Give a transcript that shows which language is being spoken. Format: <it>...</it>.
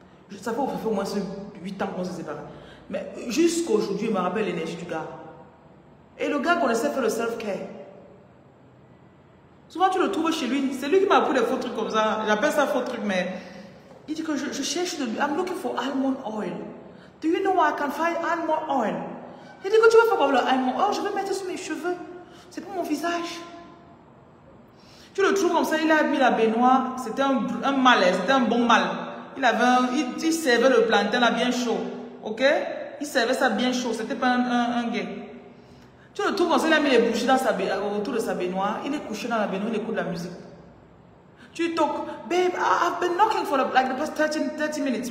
<fr>Je savais qu'on fait au moins 8 ans qu'on se séparait. Mais jusqu'aujourd'hui, il me rappelle l'énergie du gars. Et le gars connaissait faire le self-care. Souvent, tu le trouves chez lui. C'est lui qui m'a appris des faux trucs comme ça. J'appelle ça faux truc, mais... Il dit que je cherche de lui.</fr> <en>I'm looking for almond oil. Do you know where I can find almond oil?</en> <fr>Il dit que tu veux faire quoi le almond oil? Je vais mettre sur mes cheveux. C'est pour mon visage. Tu le trouves comme ça. Il a mis la baignoire. C'était un mal. C'était un bon mal. Il avait un, il servait le plantain là bien chaud. OK? Il servait ça bien chaud. C'était pas un gay. Tu le trouves comme ça, il a mis les bouchées dans sa autour de sa baignoire. Il est couché dans la baignoire, il écoute de la musique. Tu toques,</fr> <en>babe, I've been knocking for like the past 30 minutes.</en>